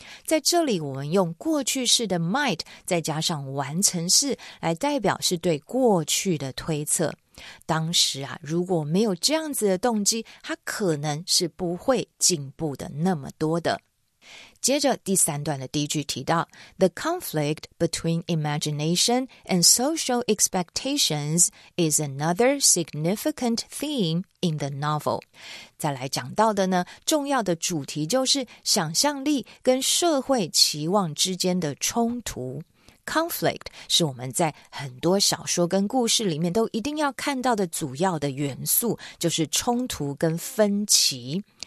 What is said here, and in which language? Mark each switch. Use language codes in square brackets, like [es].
[zh] 在这里我们用过去式的 might 再加上完成式来代表是对过去的推测。当时啊，如果没有这样子的动机，他可能是不会进步的那么多的。接着第三段的第一句提到 [en] The conflict between imagination and social expectations is another significant theme in the novel. [zh] 再来讲到的呢，重要的主题就是想象力跟社会期望之间的冲突。 Conflict 是我们在很多小说跟故事里面都一定要看到的主要的元素，就是冲突跟分歧。